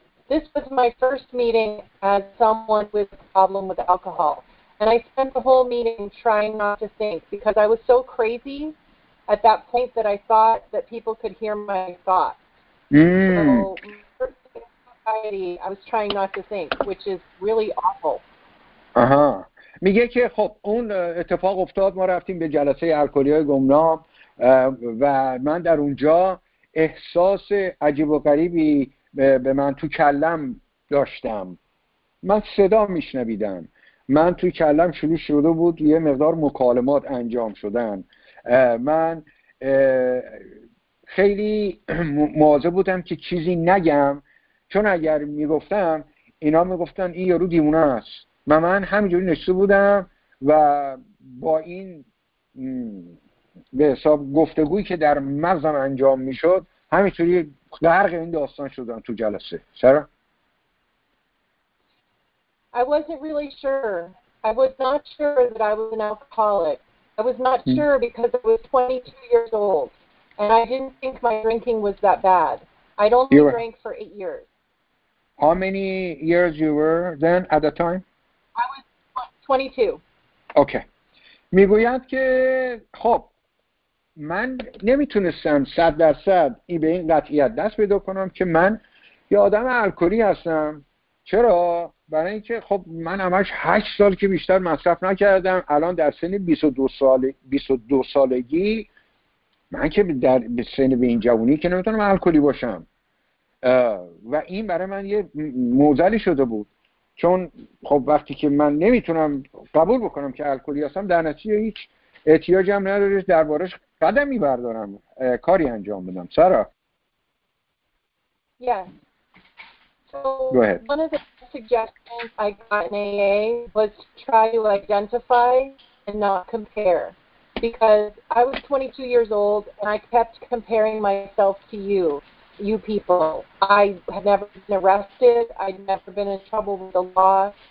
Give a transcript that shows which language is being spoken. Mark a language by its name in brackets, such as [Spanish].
[English] This was my first meeting as someone with a problem with alcohol. And I spent the whole meeting trying not to think because I was so crazy at that point that I thought that people could hear my thoughts. So my first anxiety, I was trying not to think, which is really awful. [Persian] میگه که خب اون اتفاق افتاد، ما رفتیم به جلسه الکلی های گمنام و من در اونجا احساس عجیب و غریبی به من تو کلم داشتم، من صدا میشنویدم، من تو کلم شروع شده بود یه مقدار مکالمات انجام شدن، من خیلی مواظب بودم که چیزی نگم چون اگر میگفتم اینا میگفتن این یارو دیوونه است. من همینجوری نشسته بودم و با این به حساب گفتگویی که در مغزم انجام میشد همینطوری غرق این داستان شدم تو جلسه. چرا؟ [English] I wasn't really sure. I was not sure that I was an alcoholic. I was not sure because I was 22 years old and I didn't think my drinking was that bad. I'd only drank for 8 years. How many years you were then at the time? I was 22. Okay. [Persian] میگویند که خب من نمیتونستم 100% به این قطعیت دست پیدا کنم که من یه آدم الکلی هستم. چرا؟ برای اینکه خب من همش 8 سال که بیشتر مصرف نکردم، الان در سن 22 سالگی من که در سن به این جوونی که نمیتونم الکلی باشم و این برای من یه موزلی شده بود، چون خب وقتی که من نمیتونم قبول بکنم که الکلی هستم در نتیجه هیچ احتیاجی هم نداره دربارش قدمی بردارم کاری انجام بدم. سارا. [English] Yes. So go ahead. One of the suggestions I got in AA was to try to identify and not compare, because I was 22 years old and I kept comparing myself to you people. I had never been arrested. I'd never been in trouble with the law.